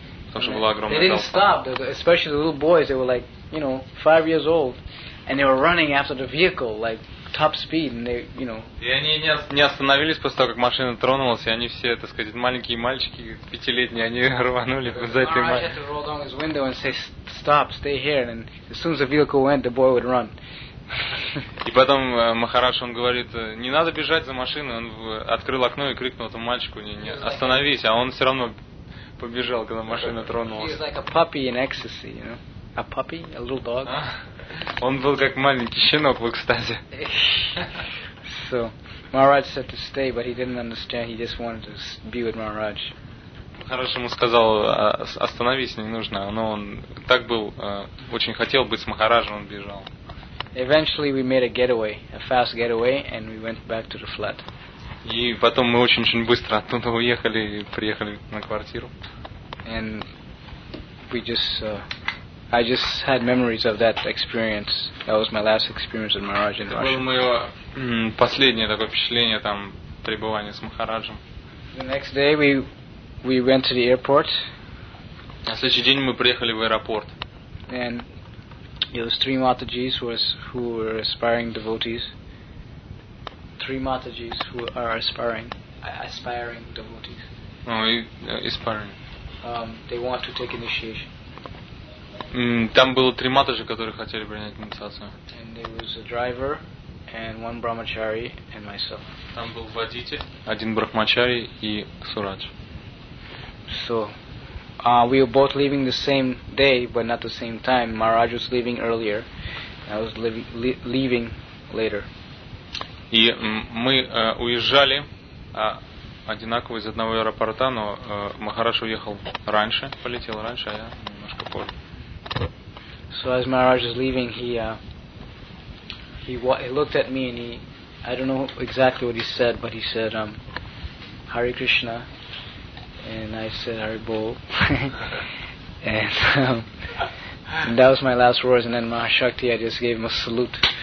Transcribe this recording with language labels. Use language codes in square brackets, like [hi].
[en] They didn't stop, especially the little boys. They were like, you know, 5 years old, and they were running after the vehicle like top speed, and they, you know. [ru] И они не остановились после того, как машина тронулась, и они все, так сказать, маленькие мальчики, пятилетние, они рванули за этой машиной. [en] I had to roll down his window and say, "Stop, stay here." And as soon as the vehicle went, the boy would run. [ru] И потом Махарадж он говорит, не надо бежать за машиной. Он открыл окно и крикнул этому мальчику, не остановись, а он все равно побежал, когда машина тронулась. [en] He's like a puppy in ecstasy, you know? A puppy? A little dog? [ru] Он был как маленький щенок в экстазе. [en] So, Maharaj said to stay, but he didn't understand. He just wanted to be with Maharaj. [ru] Хорошо ему сказал, остановись, не нужно. Но он так был, очень хотел быть с Махараджем, он бежал. [en] Eventually we made a getaway, a fast getaway, and we went back to the flat. [ru] И потом мы очень-очень быстро оттуда уехали и приехали на квартиру. [en] And we just, I just had memories of that experience. That was my last experience with Maharaj in Russia. [ru] Это было мое последнее такое впечатление там пребывания с Махараджем. [en] The next day we went to the airport. [ru] На следующий день мы приехали в аэропорт. [en] And it was three Matajis who were aspiring devotees. Three Matajis who are aspiring devotees. Aspiring. They want to take initiation. [ru] Там было три матаджи, которые хотели принять инициацию. [en] And there was a driver and one brahmachari and myself. [ru] Там был водитель, один брахмачари и сурадж. [en] So, we were both leaving the same day, but not the same time. Maharaj was leaving earlier, and I was leaving later. [ru] И мы уезжали одинаково из одного аэропорта, но Махарадж уехал раньше, полетел раньше, а я немножко позже. [en] So as Maharaj was leaving, he looked at me and I don't know exactly what he said, but he said, Hare Krishna, and I said, Hare Bol, and that was my last words, and then Mahashakti, I just gave him a salute.